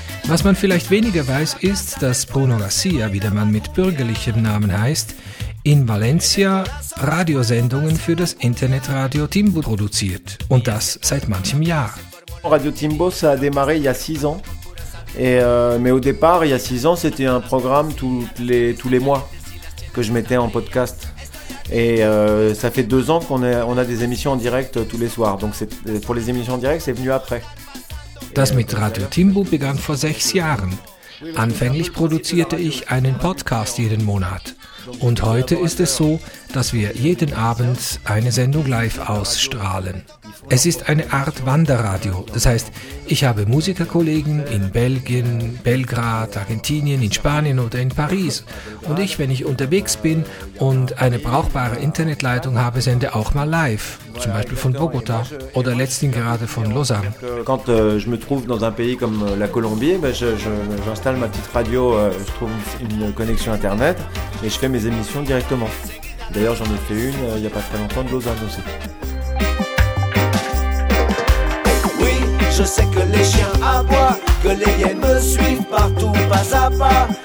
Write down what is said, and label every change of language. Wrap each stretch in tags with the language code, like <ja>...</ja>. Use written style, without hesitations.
<de>Was man vielleicht weniger weiß, ist, dass Bruno Garcia, wie der Mann mit bürgerlichem Namen heißt, in Valencia Radiosendungen für das Internetradio Timbo produziert. Und das seit manchem Jahr.</de> <fr>Radio Timbo, ça a démarré il y a 6 ans. Mais au départ, il y a 6 ans, c'était un programme tous les mois que je mettais en podcast. Ça fait 2 ans qu'on a des émissions en direct tous les soirs. Donc c'est, pour les émissions en direct, c'est venu après.</fr> <de>Das mit Radio Timbu begann vor 6 Jahren. Anfänglich produzierte ich einen Podcast jeden Monat. Und heute ist es so, dass wir jeden Abend eine Sendung live ausstrahlen. Es ist eine Art Wanderradio. Das heißt, ich habe Musikerkollegen in Belgien, Belgrad, Argentinien, in Spanien oder in Paris. Und ich, wenn ich unterwegs bin und eine brauchbare Internetleitung habe, sende auch mal live. Zum Beispiel von Bogota oder letztlich gerade von Lausanne.</de> <fr>Quand je me trouve dans un pays comme la Colombie, j'installe ma petite radio, je trouve une connexion internet et je fais mes émissions directement. D'ailleurs, j'en ai fait une il n'y a pas très longtemps de Lausanne aussi. Oui, je sais que les chiens aboient, que les hyènes me suivent partout, pas à pas.</fr>